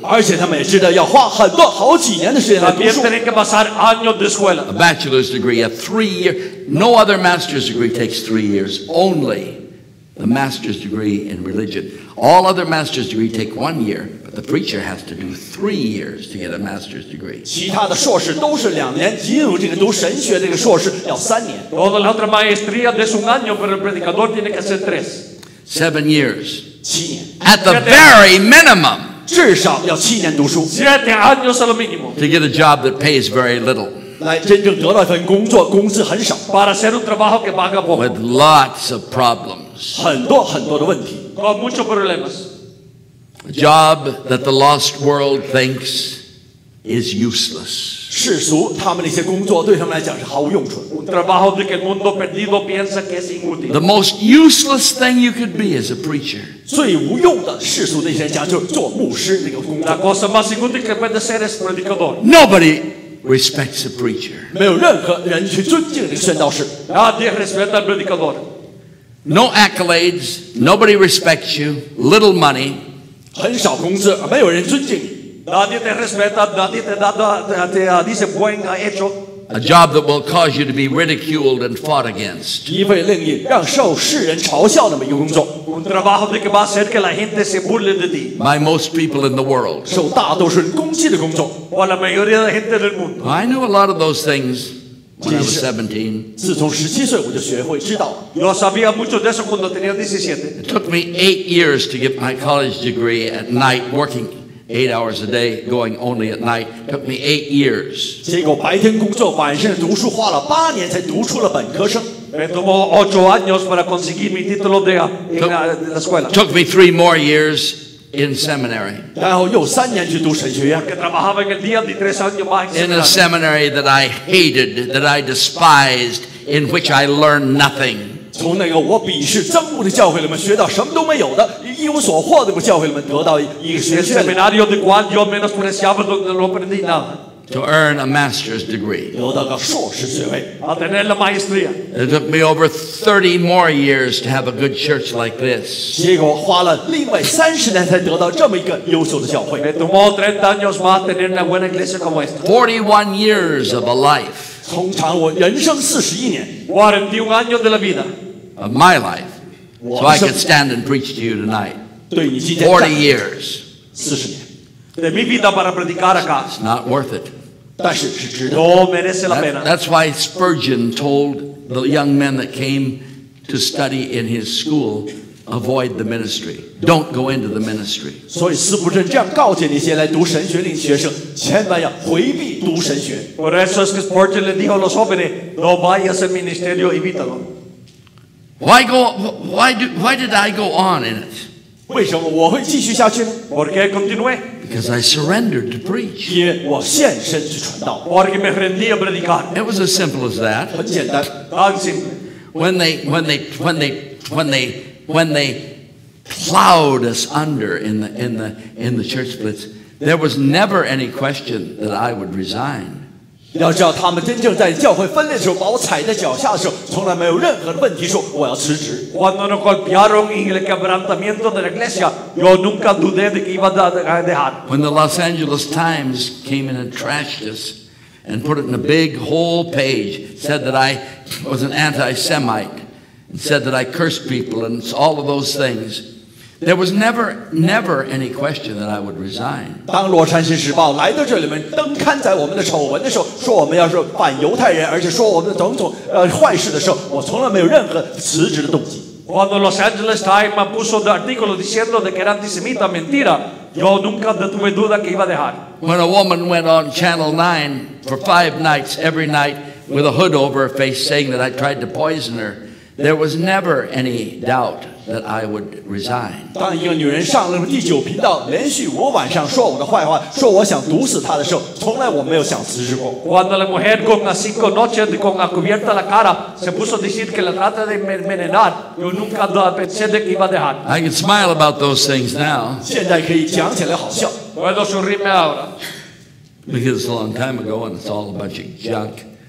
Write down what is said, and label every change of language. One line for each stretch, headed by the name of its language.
English: A bachelor's degree, a 3-year, no other master's degree takes 3 years, only the master's degree in religion. All other master's degree take 1 year, but the preacher has to do 3 years to get a master's degree.
Chinese: 其他的硕士都是两年，进入这个读神学这个硕士要三年。
Spanish: Toda la otra maestría es un año, pero el predicador tiene que ser tres.
English: 7 years. At the very minimum,
Chinese: 至少要七年读书。
Spanish: 7 años es lo mínimo.
English: To get a job that pays very little.
Chinese: 来真正得到一份工作，工资很少。
Spanish: Para hacer un trabajo que paga poco.
English: With lots of problems.
Chinese: 很多很多的问题。
Spanish: Con muchos problemas.
English: A job that the lost world thinks is useless.
Chinese: 世俗他们那些工作对他们来讲是毫无用处。
Spanish: Un trabajo de que el mundo perdido piensa que es inútil.
English: The most useless thing you could be is a preacher.
Chinese: 最无用的世俗那些家就是做牧师那个工作。
Spanish: La cosa más inútil que puede ser es predicador.
English: Nobody. Respects a preacher.
Chinese: 没有任何人去尊敬这个宣道士。
Spanish: Nadie respeta al predicador.
English: No accolades. Nobody respects you. Little money.
Chinese: 很少工资，没有人尊敬你。
Spanish: Nadie te respeta. Nadie te dice buen hecho.
English: A job that will cause you to be ridiculed and fought against.
Chinese: 一份令你让受世人嘲笑那么一个工作。
Spanish: Un trabajo de que va a hacer que la gente se burle de ti.
English: By most people in the world.
Chinese: 受大多数人攻击的工作。
Spanish: Por la mayoría de gente del mundo.
English: I knew a lot of those things when I was 17.
Chinese: 自从17岁我就学会知道。
Spanish: Yo sabía mucho de eso cuando tenía 17.
English: It took me 8 years to get my college degree at night working. 8 hours a day, going only at night, took me 8 years.
Chinese: 结果白天工作，晚上读书，花了8年才读出了本科生。
Spanish: Me tomó 8 años para conseguir mi título de la escuela.
English: Took me 3 more years in seminary.
Chinese: 然后又3年去读神学院。
Spanish: Porque trabajaba en el día de 3 años más.
English: In a seminary that I hated, that I despised, in which I learned nothing.
Chinese: 从那个我鄙视憎恶的教会里面学到什么都没有的一无所获的教会里面得到一个学
Spanish: 士 seminario de cual yo menospreciaba lo que no aprendí nada
English: to earn a master's degree
Chinese: 得到个硕士学位
Spanish: a tener la maestría
English: it took me over 30 more years to have a good church like this
Chinese: 结果花了另外30年才得到这么一个优秀的教会
Spanish: me tomó 30 años más tener una buena iglesia como esta
English: 41 years of a life
Chinese: 通常我人生41年
Spanish: 41 años de la vida
English: of my life so I could stand and preach to you tonight 40 years
Chinese: 40年
Spanish: de mi vida para predicar acá
English: it's not worth it
Chinese: 但是是值得
Spanish: no merece la pena
English: that's why Spurgeon told the young men that came to study in his schoolAvoid the ministry. Don't go into the ministry.
Chinese: 所以斯普顿这样告诫那些来读神学的学生，千万要回避读神学。
Spanish: Por eso es que Spurgeon le dijo a los jóvenes, no vayas al ministerio, evítalo.
English: Why did I go on in it?
Chinese: 为什么我会继续下去呢
Spanish: ？Por qué continué?
English: Because I surrendered to preach.
Chinese: 因为我献身去传道。
Spanish: Porque me rendí a predicar.
English: It was as simple as that.
Chinese: 很简单，很 simple.
English: When they plowed us under in the church splits, there was never any question that I would resign.
Chinese: 要知道他们真正在教会分裂的时候把我踩在脚下的时候从来没有任何的问题说我要辞职
Spanish: cuando nos golpearon en el quebrantamiento de la iglesia yo nunca dudé de que iba a dejar
English: when the Los Angeles Times came in and trashed us and put it in a big whole page said that I was an anti-Semite and said that I cursed people and all of those things There was never any question that I would resign.
Chinese: 当《洛杉矶时报》来到这里面登刊在我们的丑闻的时候，说我们要是反犹太人，而且说我们的总统坏事的时候，我从来没有任何辞职的动机。
Spanish: Cuando Los Angeles Times puso un artículo diciendo de que era antisemita, mentira, yo nunca tuve duda que iba a dejar.
English: When a woman went on Channel 9 for 5 nights, every night with a hood over her face, saying that I tried to poison her, there was never any doubt. That I would resign.
Chinese: 当一个女人上了第九频道，连续五晚上说我的坏话，说我想毒死她的时候，从来我没有想辞职过。
Spanish: Cuando la mujer con las cinco noches con la cubierta la cara se puso a decir que la trata de envenenar, yo nunca pensé que iba a dejar.
English: I can smile about those things now.
Chinese: 现在可以讲起来好笑。
Spanish: Puedo sonreírme ahora.
English: Because it's a long time ago and it's all a bunch of junk.